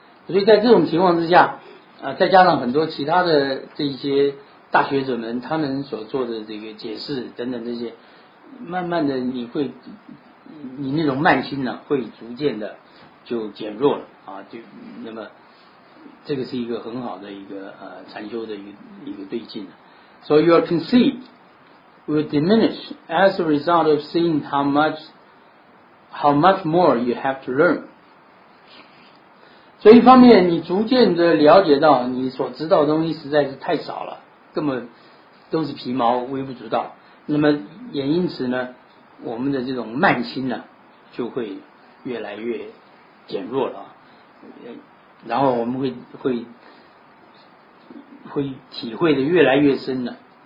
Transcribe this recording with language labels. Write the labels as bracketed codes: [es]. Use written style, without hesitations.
[zh] 所以在这种情况之下再加上很多其他的这些大学者们他们所做的这个解释等等，这些慢慢的你那种慢心呢会逐渐的就减弱了啊，就那么这个是一个很好的一个禅修的一个对境。 [en] So your conceit will diminish as a result of seeing how much more you have to learn. [zh] 所以一方面你逐渐的了解到你所知道的东西实在是太少了，根本都是皮毛，微不足道。那么也因此呢，我们的这种慢心呢就会越来越减弱了，然后我们会体会的越来越深了。